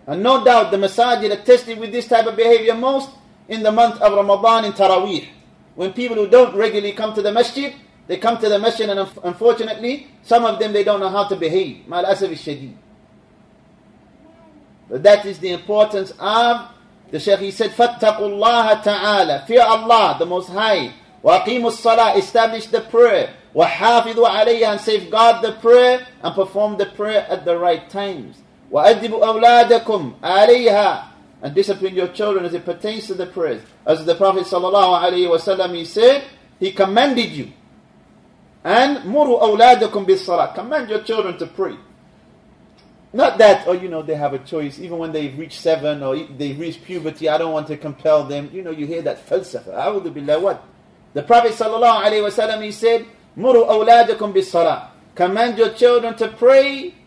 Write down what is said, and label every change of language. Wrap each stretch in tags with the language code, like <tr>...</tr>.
<en>And no doubt the masajid are tested with this type of behavior most in the month of Ramadan in Taraweeh. When people who don't regularly come to the masjid, they come to the masjid and unfortunately, some of them, they don't know how to behave.</en> <ar>Ma'al asaf al-shadeed.</ar> <en>But that is the importance of the Shaykh. He said,</en> <ar>فَاتَّقُوا اللَّهَ تَعَالَى.</ar> <en>Fear Allah, the Most High.</en> <ar>وَأَقِيمُوا الصَّلَاةِ.</ar> <en>Establish the prayer.</en> <ar>وَحَافِظُوا عَلَيْهَا.</ar> <en>And safeguard the prayer and perform the prayer at the right times.</en> <ar>وَأَدِّبُوا أَوْلَادَكُمْ عَلَيْهَا.</ar> <en>And discipline your children as it pertains to the prayers. As the Prophet ﷺ, he said, he commanded you. And</en> <ar>مُرُوا أَوْلَادَكُمْ بِالصَّلَاةِ.</ar> <en>Command your children to pray. Not that, oh, you know, they have a choice. Even when they reach seven or they reach puberty, I don't want to compel them. You know, you hear that falsafa.</en> <ar>أَعُوذُ بِاللَّهِ.</ar> <en>What? The Prophet ﷺ, he said,</en> <ar>مُرُوا أَوْلَادَكُمْ بِالصَّلَاةِ.</ar> <en>Command your children to pray.</en>